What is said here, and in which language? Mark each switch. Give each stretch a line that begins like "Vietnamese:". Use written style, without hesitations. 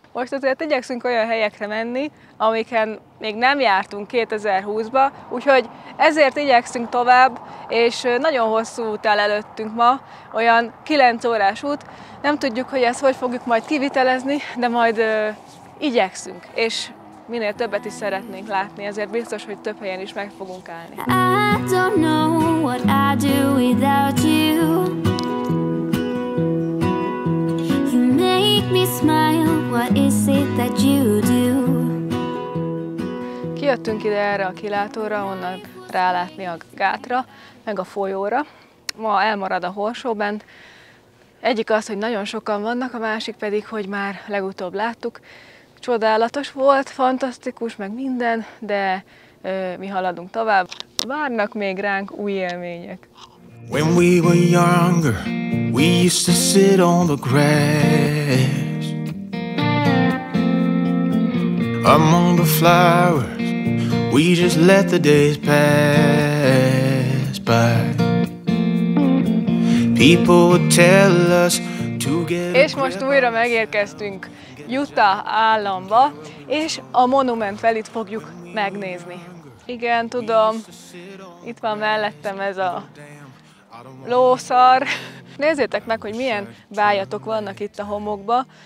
Hungarian: Most azért igyekszünk olyan helyekre menni, amiken még nem jártunk 2020-ba, úgyhogy ezért igyekszünk tovább, és nagyon hosszú út áll előttünk ma, olyan 9 órás út. Nem tudjuk, hogy ezt hogy fogjuk majd kivitelezni, de majd igyekszünk, és minél többet is szeretnénk látni, ezért biztos, hogy több helyen is meg fogunk állni.
English: I don't know what I do without you. You make me smile, what is it that you do?
Hungarian: Kijöttünk ide erre a kilátóra, onnan rálátni a gátra, meg a folyóra. Ma elmarad a horsó bent. Egyik az, hogy nagyon sokan vannak, a másik pedig, hogy már legutóbb láttuk. Csodálatos volt, fantasztikus, meg minden, de mi haladunk tovább. Várnak még ránk új élmények.
English: When we were younger, we used to sit on the grass. Among the flowers, we just let the days pass by. People would tell us to get.
Hungarian: És most újra megérkeztünk Utah államba, és a Monument Valley-t fogjuk megnézni. Igen, tudom, itt van mellettem ez a lószar. Nézzétek meg, hogy milyen bájatok vannak itt a homokba.